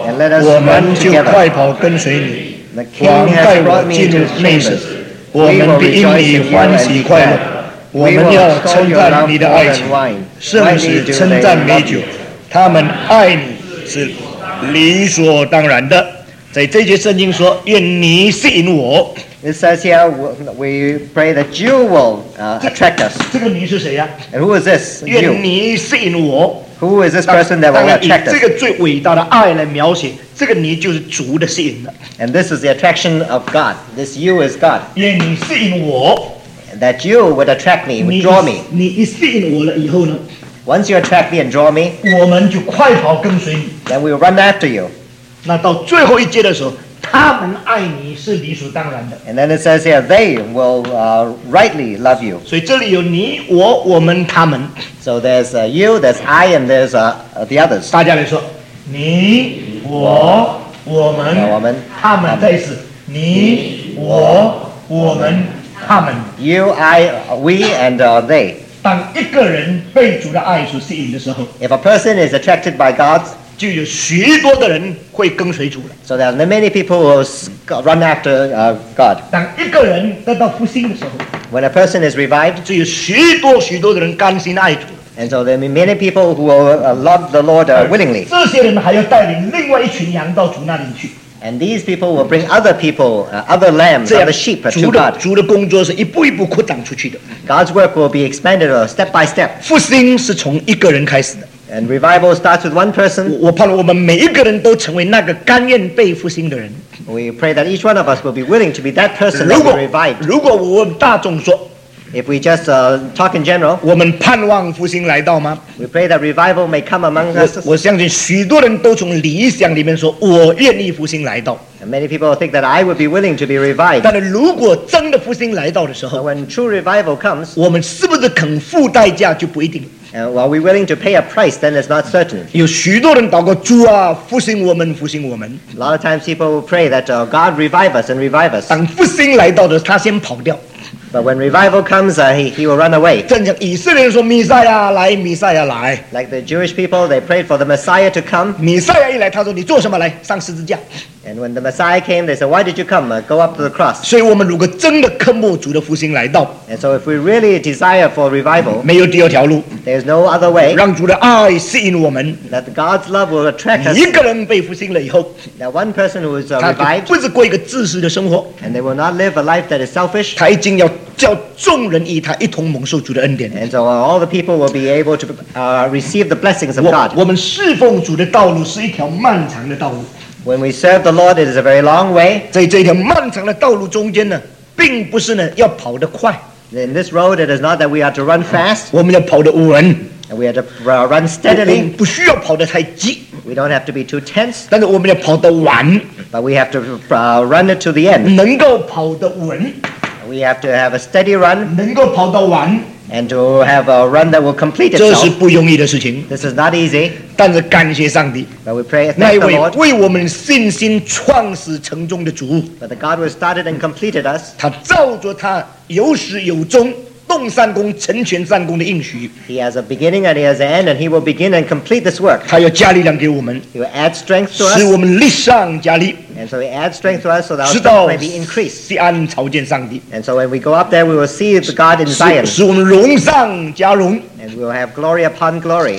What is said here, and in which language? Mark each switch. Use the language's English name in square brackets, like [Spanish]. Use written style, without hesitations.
[Chinese] 愿你吸引我，我们就快跑跟随你。 [English] The king has brought me into his chambers. We will rejoice in you and together. We will call you love and wine. [Chinese] 圣使称赞美酒，他们爱你是理所当然的。在这节圣经说， 愿你吸引我。 [English] It says here, we pray that you will attract us. [Chinese] 这个你是谁呀？ [English] And who is this? [Chinese] 愿你吸引我。 [English] Who is this person that will attract us? [Chinese] 这个最伟大的爱来描写，这个你就是主的吸引的。 [English] And this is the attraction of God. This you is God. [Chinese] 愿你吸引我。 [English] That you would attract me, would draw me. [Chinese] 你一吸引我了以后呢？ [English] Once you attract me and draw me, [Chinese] 我们就快跑跟随你。 [English] Then we will run after you. [Chinese] 那到最后一节的时候， 他们爱你是理所当然的。 [English] And then it says here, they will rightly love you. [Chinese] 所以这里有你、我、我们、他们。 [English] So there's you, there's I, and there's the others. [Chinese] 大家来说，你、我、我们、他们，再次，你、我、我们、他们。 [English] You, I, we, and they. [Chinese] 当一个人被主的爱所吸引的时候， [English] If a person is attracted by God's, [Chinese] 就有许多的人会跟随主了。 [English] So there are many people who run after God. [Chinese] 当一个人得到复兴的时候， [English] When a person is revived, [Chinese] 就有许多许多的人甘心爱主了。 [English] And so there are many people who will love the Lord willingly. [Chinese] 这些人还要带领另外一群羊到主那里去。 [English] And these people will bring other people, other lambs, other sheep to God. [Chinese] 主的工作是一步一步扩展出去的。 [English] God's work will be expanded step by step. [Chinese] 复兴是从一个人开始的。 [English] And revival starts with one person. [Chinese] 我盼望我们每一个人都成为那个甘愿被复兴的人。 [English] We pray that each one of us will be willing to be that person that will be revived. [Chinese] 如果我问大众说， [English] If we just talk in general, [Chinese] 我们盼望复兴来到吗？ [English] We pray that revival may come among us. [Chinese] 我相信许多人都从理想里面说，我愿意复兴来到。 [English] And many people think that I would be willing to be revived. [Chinese] 但如果真的复兴来到的时候， [English] When true revival comes, [Chinese] 我们是不是肯付代价就不一定。 [English] And are we willing to pay a price? Then it's not certain. [Chinese] 有许多人祷告主啊，复兴我们，复兴我们。 [English] A lot of times people will pray that God revive us and revive us. [Chinese] 当复兴来到的，他先跑掉。 [English] But when revival comes, he will run away. [Chinese] 正像以色列人说，弥赛亚来，弥赛亚来。 [English] Like the Jewish people, they prayed for the Messiah to come. [Chinese] 弥赛亚一来，他说，你做什么来？上十字架。 [English] And when the Messiah came, they said, why did you come? Go up to the cross. [Chinese] 所以我们如果真的渴慕主的复兴来到， [English] And so if we really desire for revival, [Chinese] 没有第二条路， [English] there's no other way. [Chinese] 让主的爱吸引我们， [English] that God's love will attract us. [Chinese] 一个人被复兴了以后， [English] that one person who is revived, [Chinese] 他不是过一个自私的生活， [English] and they will not live a life that is selfish. [Chinese] 他已经要叫众人与他一同蒙受主的恩典。 [English] And so all the people will be able to receive the blessings of God. [Chinese] 我们侍奉主的道路是一条漫长的道路。 [English] When we serve the Lord, it is a very long way. [Chinese] 在这条漫长的道路中间呢， 并不是呢， 要跑得快。 [English] In this road, it is not that we are to run fast. [Chinese] 我们要跑得稳。 [English] And we are to run steadily. [Chinese] 不需要跑得太急。 [English] We don't have to be too tense. [Chinese] 但是我们要跑得完。 [English] But we have to run it to the end. [Chinese] 能够跑得稳。 [English] We have to have a steady run. [Chinese] 能够跑得完。 [English] And to have a run that will complete itself. [Chinese] 这是不容易的事情。 [English] This is not easy. [Chinese] 但是感谢上帝。 [English] But we pray, thank the Lord. [Chinese] 那一位为我们信心创始成终的主。 [English] But the God who started and completed us. [Chinese] 他照着他有始有终， 动善功， 成全善功的应许。 [English] He has a beginning and he has an end, and he will begin and complete this work. [Chinese] 他要加力量给我们。 [English] He will add strength to us. [Chinese] 使我们力上加力。 [English] And so he adds strength to us so that our strength may be increased. [Chinese] 直到西安朝见上帝。 [English] And so when we go up there, we will see the God in Zion. [Chinese] 使我们荣上加荣。 [English] And we will have glory upon glory.